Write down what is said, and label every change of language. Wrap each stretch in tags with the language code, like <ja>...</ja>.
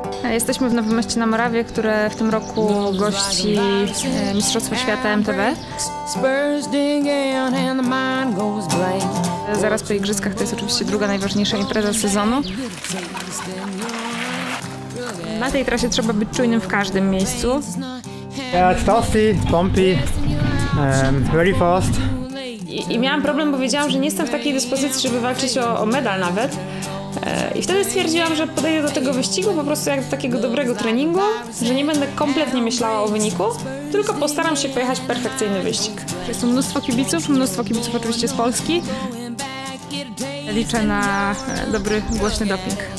<pl>Jesteśmy w Nowym Mieście na Morawie, które w tym roku gości Mistrzostwo Świata MTB. Zaraz po igrzyskach to jest oczywiście druga najważniejsza impreza sezonu. Na tej trasie trzeba być czujnym w każdym miejscu.</pl> <en>It's toasty, bumpy, very fast.</en> <pl>I miałam problem, bo wiedziałam, że nie jestem w takiej dyspozycji, żeby walczyć o medal nawet. I wtedy stwierdziłam, że podejdę do tego wyścigu po prostu jak do takiego dobrego treningu, że nie będę kompletnie myślała o wyniku, tylko postaram się pojechać perfekcyjny wyścig. Jest mnóstwo kibiców oczywiście z Polski. Liczę na dobry, głośny doping.</pl>